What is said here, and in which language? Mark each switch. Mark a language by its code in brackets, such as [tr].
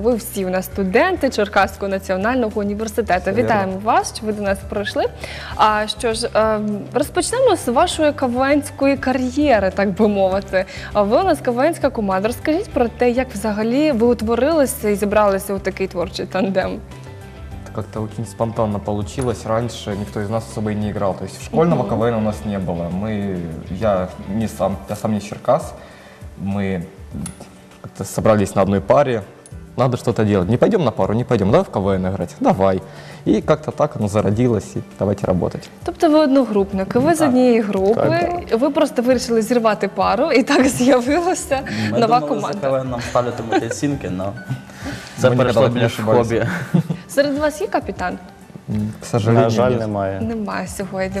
[uk] Ви всі у нас студенти Черкаського національного університету. Вітаємо вас, що ви до нас прийшли. А що ж, розпочнемо з вашої кавенської кар'єри, так би мовити. Ви у нас кавенська команда. Розкажіть про те, як взагалі ви утворилися і зібралися у такий творчий тандем. [ru] Как-то очень спонтанно получилось. Раньше никто из нас особо и не играл. То есть школьного КВН у нас не было. Я сам не из Черкас. Мы как-то собрались на одной паре, надо что-то делать. Не пойдем на пару, не пойдем, давай в КВН играть. Давай. И как-то так оно зародилось, и давайте работать. [uk] Тобто ви одногрупник, ви з однієї групи, ви просто вирішили зірвати пару, і так з'явилася нова команда. Ми думали, за КВН нам ставлятимуть оцінки, але це перейшло більш хобі. Серед вас є капітан? [ru] К сожалению, [uk] на жаль, немає. Немає сьогодні.